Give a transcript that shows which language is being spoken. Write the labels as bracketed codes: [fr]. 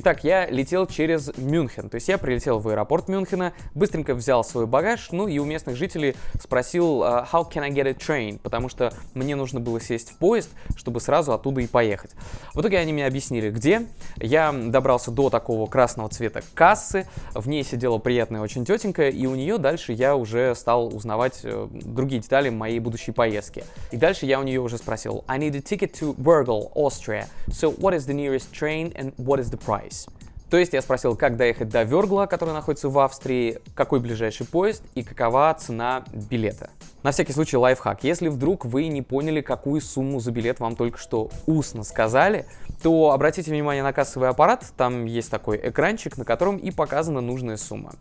[ru] Итак, я летел через Мюнхен. То есть я прилетел в аэропорт Мюнхена, быстренько взял свой багаж, ну и у местных жителей спросил [en] «How can I get a train?», [ru] потому что мне нужно было сесть в поезд, чтобы сразу оттуда и поехать. В итоге они мне объяснили, где. Я добрался до такого красного цвета кассы, в ней сидела приятная очень тетенька, и у нее дальше я уже стал узнавать другие детали моей будущей поездки. И дальше я у нее уже спросил [en] «I need a ticket to Wörgl, Austria. So what is the nearest train and what is the price?» [ru] То есть я спросил, как доехать до Вёргла, который находится в Австрии, какой ближайший поезд и какова цена билета. На всякий случай лайфхак. Если вдруг вы не поняли, какую сумму за билет вам только что устно сказали, то обратите внимание на кассовый аппарат, там есть такой экранчик, на котором и показана нужная сумма.